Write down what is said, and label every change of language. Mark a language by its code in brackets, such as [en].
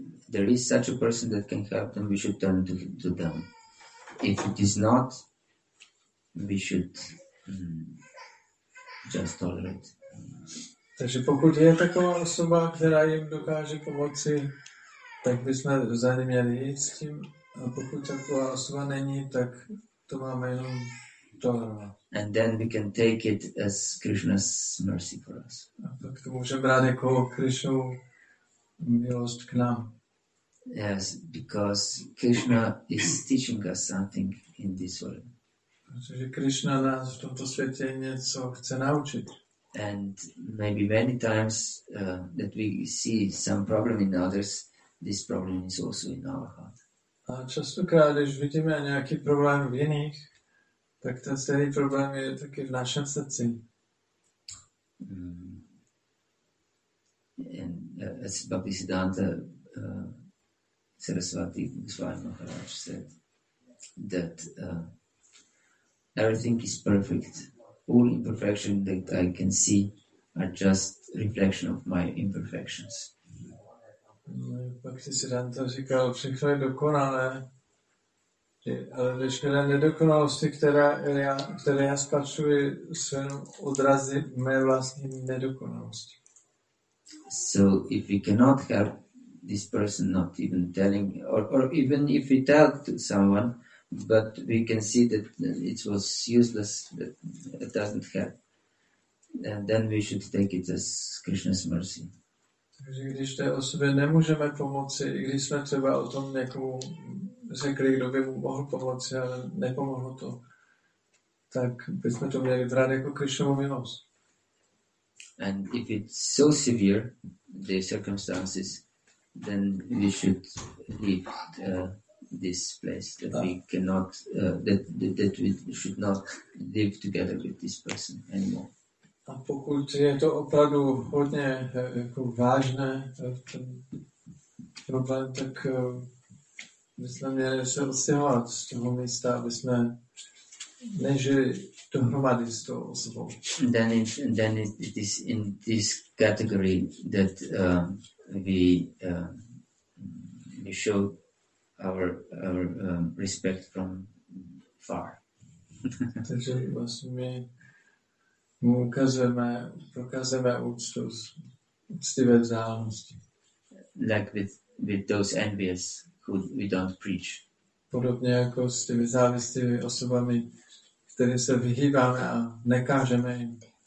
[en] there is such a person that can help them, we should turn to them. If it is not, we should just tolerate. [cs] Takže pokud je taková osoba, která jim dokáže pomoci, tak bychom za ní měli jít s tím. A pokud taková osoba není, tak to máme jenom tolerovat. [en] And then we can take it as Krishna's mercy for us. [cs] A pak to můžeme brát jako Krishnovu milost k nám. [en] Yes, because Krishna is teaching us something in this world. [cs] Protože Krishna nás v tomto světě něco chce naučit. [en] And maybe many times that we see some problem in others, this problem is also in our heart. [cs] A častokrát, když vidíme nějaký problém v jiných, tak ten stejný problém je taky v našem srdci. [en] And as Bhaktisiddhanta Sarasvati Swami Maharaj said, that everything is perfect. All imperfection that I can see are just reflection of my imperfections. [cs] Bhaktisiddhanta říkal, všechno je dokonalé, ale veškeré nedokonalosti, které já spatřuji, jsou jenom odrazy mé vlastní nedokonalosti. [en] So if we cannot help this person, not even telling, or even if we tell to someone, but we can see that it was useless, that it doesn't help, and then we should take it as Krishna's mercy. [cs] Takže když té osobě nemůžeme pomoci, i když jsme třeba o tom někomu řekli, kdo by mu mohl pomoci, ale nepomohlo to, tak bychom to měli brát jako Krishnovu milost. [en] And if it's so severe, the circumstances, then we should leave this place, that we cannot, that we should not live together with this person anymore. [cs] A pokud je to opravdu hodně jako vážné ten problém, tak bychom měli se odstěhovat z toho místa, aby jsme nežili dohromady s tou osobou. [en] Then it is in this category that we show our respect from far. [cs] Takže vlastně my mu prokazujeme úctu z úctivé vzdálenosti. [en] Like with those envious who we don't preach. [cs] Podobně jako s těmi závistivými osobami, které se vyhýbáme a nekážeme jim.